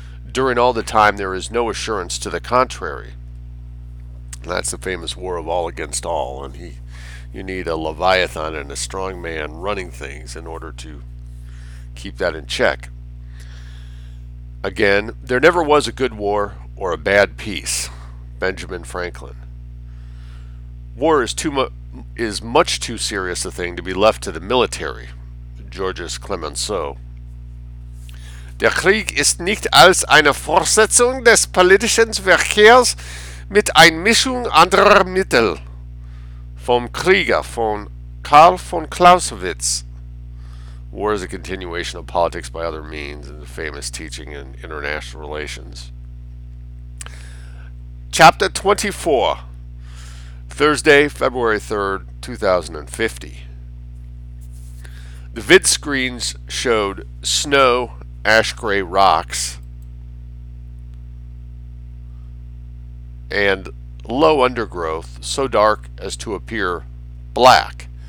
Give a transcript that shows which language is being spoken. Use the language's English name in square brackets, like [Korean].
[English] During all the time there is no assurance to the contrary." And that's the famous war of all against all, and you need a Leviathan and a strong man running things in order to keep that in check. Again, "There never was a good war or a bad peace." Benjamin Franklin. "War is much too serious a thing to be left to the military." Georges Clemenceau. [German] "Der Krieg ist nicht als eine Fortsetzung des politischen Verkehrs mit Einmischung anderer Mittel." Vom Kriege von Karl von Clausewitz. [English] "War is a continuation of politics by other means," and the famous teaching in international relations. Chapter 24, Thursday, February 3rd, 2050. The vid screens showed snow, ash gray rocks, and low undergrowth so dark as to appear black.